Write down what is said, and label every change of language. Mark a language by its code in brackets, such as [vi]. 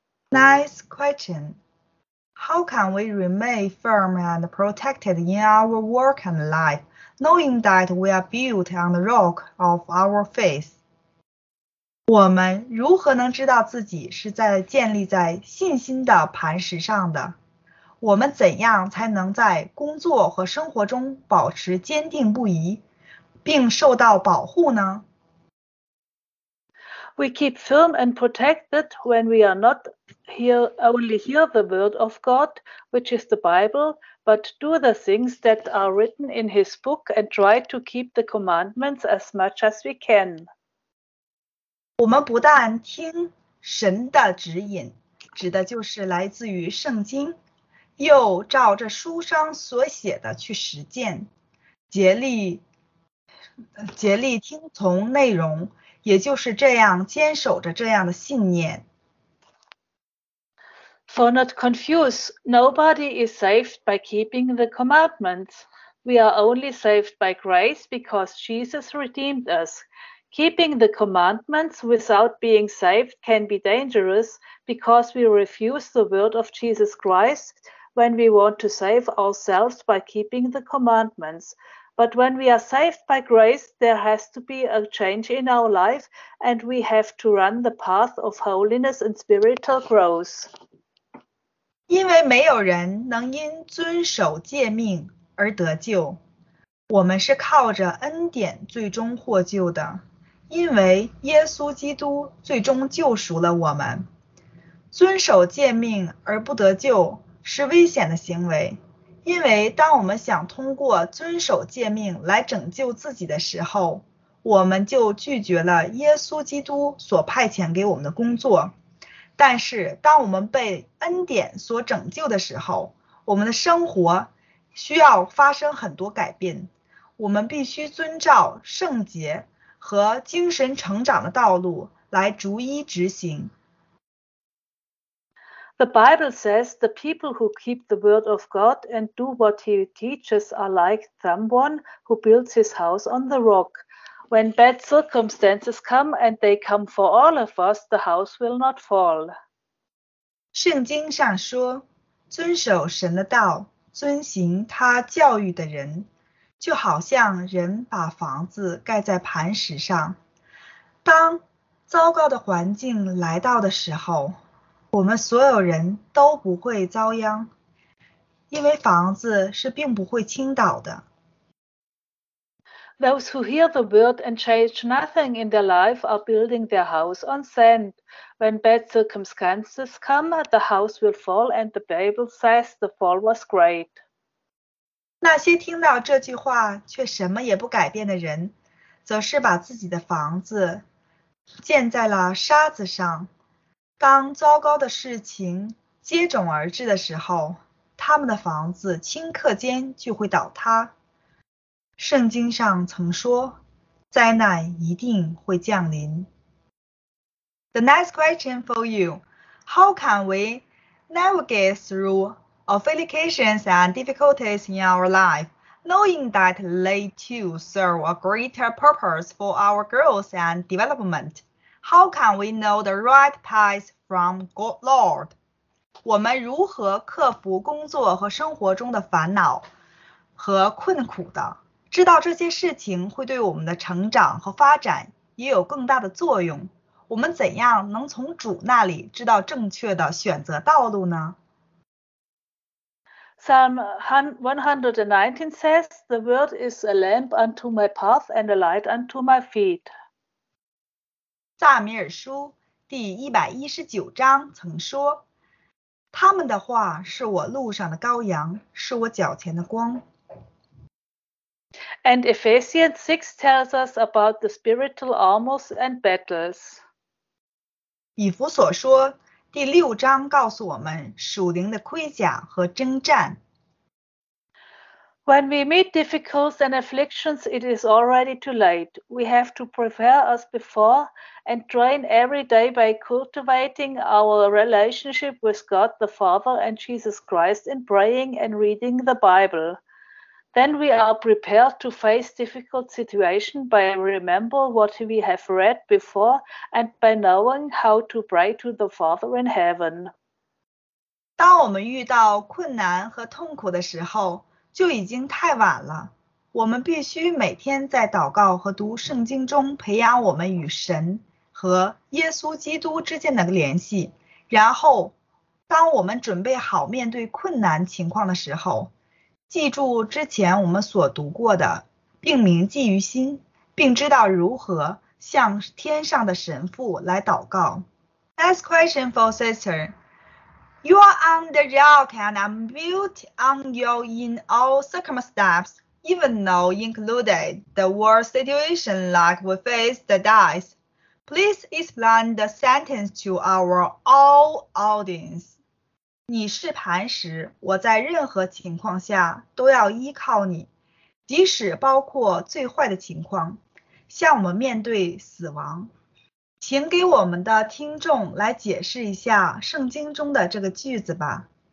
[en] Nice question. How can we remain firm and protected in our work and life, knowing that we are built on the rock of our faith? [zh] 我们如何能知道自己是在建立在信心的磐石上的？我们怎样才能在工作和生活中保持坚定不移，并受到保护呢？ [en] We keep firm and protected when we are not only hear the word of God, which is the Bible, but do the things that are written in His book and try to keep the commandments as much as we can. [zh] 我们不但听神的指引，指的就是来自于圣经，又照着书上所写的去实践，竭力听从内容。也就是这样坚守着这样的信念。 [en] For not confused, nobody is saved by keeping the commandments. We are only saved by grace because Jesus redeemed us. Keeping the commandments without being saved can be dangerous because we refuse the word of Jesus Christ when we want to save ourselves by keeping the commandments. But when we are saved by grace, there has to be a change in our life, and we have to run the path of holiness and spiritual growth. [zh] 因为没有人能因遵守诫命而得救，我们是靠着恩典最终获救的，因为耶稣基督最终救赎了我们。遵守诫命而不得救是危险的行为。因为当我们想通过遵守诫命来拯救自己的时候，我们就拒绝了耶稣基督所派遣给我们的工作。但是当我们被恩典所拯救的时候，我们的生活需要发生很多改变。我们必须遵照圣洁和精神成长的道路来逐一执行。 [en] The Bible says the people who keep the word of God and do what he teaches are like someone who builds his house on the rock. When bad circumstances come and they come for all of us, the house will not fall. [zh] 圣经上说，遵守神的道，遵行他教育的人，就好像人把房子盖在磐石上。当糟糕的环境来到的时候，我们所有人都不会遭殃，因为房子是并不会倾倒的。 [en] Those who hear the word and change nothing in their life are building their house on sand. When bad circumstances come, the house will fall, and the Bible says the fall was great. [zh] 那些听到这句话却什么也不改变的人，则是把自己的房子建在了沙子上。当糟糕的事情接踵而至的时候，他们的房子顷刻间就会倒塌。圣经上曾说，灾难一定会降临。 [en] The next question for you. How can we navigate through afflictions and difficulties in our life, knowing that they too serve a greater purpose for our growth and development? How can we know the right paths? From God, Lord, [zh] 我们如何克服工作和生活中的烦恼和困苦的？知道这些事情会对我们的成长和发展也有更大的作用。我们怎样能从主那里知道正确的选择道路呢？ [en] Psalm 119 says, "The word is a lamp unto my path and a light unto my feet." [zh] 撒米尔书第119章曾说，他们的话是我路上的羔羊，是我脚前的光。 [en] And Ephesians 6 tells us about the spiritual armors and battles. [zh] 以弗所说第六章告诉我们属灵的盔甲和征战。 [en] When we meet difficulties and afflictions, it is already too late. We have to prepare us before and train every day by cultivating our relationship with God the Father and Jesus Christ in praying and reading the Bible. Then we are prepared to face difficult situations by remembering what we have read before and by knowing how to pray to the Father in heaven. [zh] 当我们遇到困难和痛苦的时候，就已经太晚了。我们必须每天在祷告和读圣经中培养我们与神和耶稣基督之间的联系。然后，当我们准备好面对困难情况的时候，记住之前我们所读过的，并铭记于心，并知道如何向天上的神父来祷告。 [en] Next question for sister. You are on the rock and I'm built on you in all circumstances, even though included the worst situation like we face the dice. Please explain the sentence to our all audience. [zh] 你是磐石，我在任何情况下都要依靠你，即使包括最坏的情况，向我们面对死亡。请给我们的听众来解释一下圣经中的这个句子吧。